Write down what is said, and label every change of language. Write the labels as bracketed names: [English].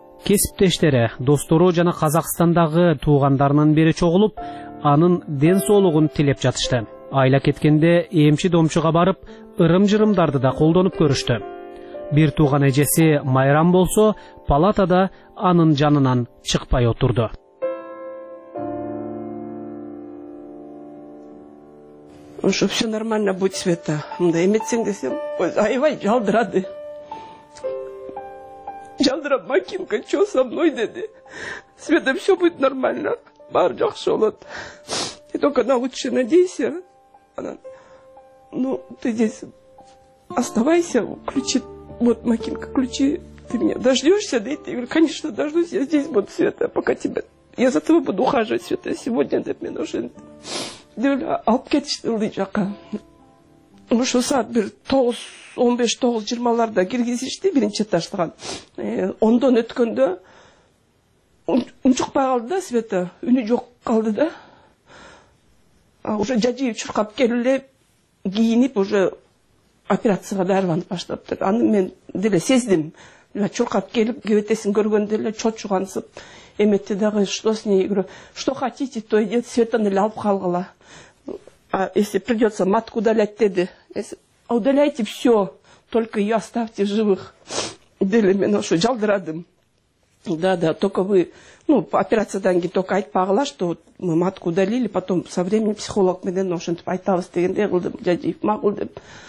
[Kyrgyz] Кесиптештери, достору жана Казакстандагы туугандарынан бери чогулуп, анын ден соолугун тилеп жатышты. Айла кеткенде эмчи-домчуга барып, ырым-жырымдарды да колдонуп көрүштү. Бир тууган эжеси Майрам болсо, палатада анын жанынан чыкпай отурду. Ушу [Russian] все нормально будет, [Kyrgyz] Света. Мындай эметсең десем, ой, аябай жалдырады. Жалдырап, [Russian] Макинка, что со мной, [Kyrgyz] деди? [Russian] Света, все будет нормально. [Kyrgyz] Баары жакшы болот. [Russian] Ты только на лучшее надейся. Она, ну, ты здесь оставайся, ключи. Вот, Макинка, ключи. Ты меня дождешься, да? Ты говоришь, конечно, дождусь. Я здесь буду, Света, пока тебя... Я за тобой буду ухаживать, Света. Сегодня ты мне нужен... [Kyrgyz] Дүлө алып кетишти ылдый жака. Ушу саат бир 9:15-9:20 киргизишти биринчи этажга. Ондон өткөндө унчукпай калды да Света, үнү жок калды да. Уже Жажиев чуркап келиле кийинип уже операцияга даярданып баштаптыр. Аны мен деле сездим. Чуркап келип кебетесин көргөндө эле чочугансып эметти дагы, [Russian] что с ней, говорю, что хотите, то и [Kyrgyz] дед Светаны эле алып калгыла. [Russian] А если придется матку удалять, [Kyrgyz] деди. [Russian] А удаляйте все, только ее оставьте живых. [Kyrgyz] Деле мен ошо жалдырадым. [Russian] Да-да, только вы, ну, [Kyrgyz] операциядан кийин [Russian] только [Kyrgyz] айтпагыла, [Russian] что мы матку удалили, потом со временем психолог [Kyrgyz] менен ошентип айтабыз дегенде кылдым, Жажиев макул деп.